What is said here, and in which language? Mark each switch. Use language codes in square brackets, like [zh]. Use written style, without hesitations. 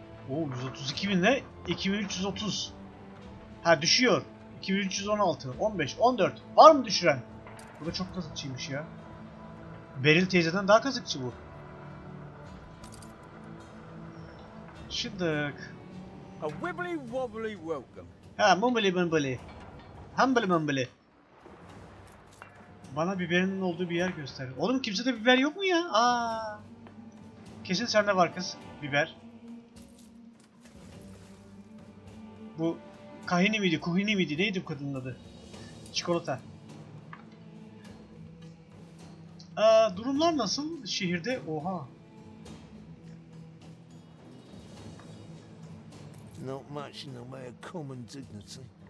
[tr] Oo, 132 bin ile 2330. Ha, düşüyor. 2316, 15, 14. Var mı düşüren? Bu da çok kazıkçıymış ya. Beril teyzeden daha kazıkçı bu. Şıdık. [en] A wibbly wobbly welcome. Ha, mumbly mumbly. Humbly mumbly. [tr] Bana biberinin olduğu bir yer göster. Oğlum kimsede biber yok mu ya? Aa. Kesin sende var kız. Biber. Bu Kahini miydi? Kuhini miydi? Neydi bu kadının adı? Çikolata. Durumlar nasıl şehirde? Oha. [en] Not much in the way of common dignity.